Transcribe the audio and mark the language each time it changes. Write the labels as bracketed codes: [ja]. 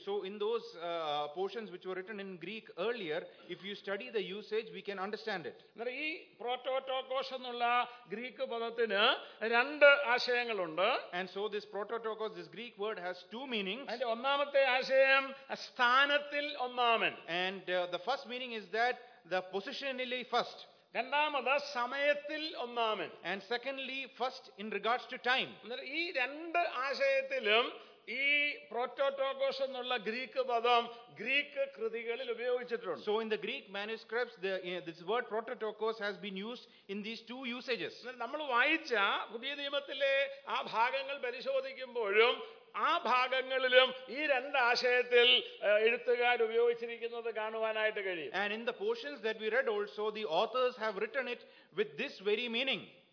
[en] So in those portions which were written in Greek earlier, if you study the usage, we can understand it. [ml] നമ്മൾ ഈ പ്രോട്ടോടോക്കോസ് എന്നുള്ള Greek പദത്തിന് രണ്ട് ആശയങ്ങളുണ്ട്. [en] And so this prototokos, this Greek word has two meanings. [ml] അതിന്റെ ഒന്നാമത്തെ ആശയം സ്ഥാനത്തിൽ ഒന്നാമൻ. [en] And the first meaning is that the positionally first. [ml] രണ്ടാമത് സമയത്തിൽ ഒന്നാമൻ. [en] And secondly, first in regards to time. [ml] ഈ രണ്ട് ആശയത്തിലും ഈ പ്രോട്ടോടോക്കോസ് എന്നുള്ള ഗ്രീക്ക് പദം ഗ്രീക്ക് കൃതികളിൽ ഉപയോഗിച്ചിട്ടുണ്ട്. [en] So in the Greek manuscripts, this word prototokos has been used in these two usages. [ml] നമ്മൾ വായിച്ച പുതിയ നിയമത്തിലെ ആ ഭാഗങ്ങൾ പരിശോധിക്കുമ്പോഴും ആ ഭാഗങ്ങളിലും ഈ രണ്ട് ആശയത്തിൽ എഴുത്തുകാർ ഉപയോഗിച്ചിരിക്കുന്നത് കാണുവാനായിട്ട് കഴിയും. [en] And in the portions that we read also, the authors have written it with this very meaning.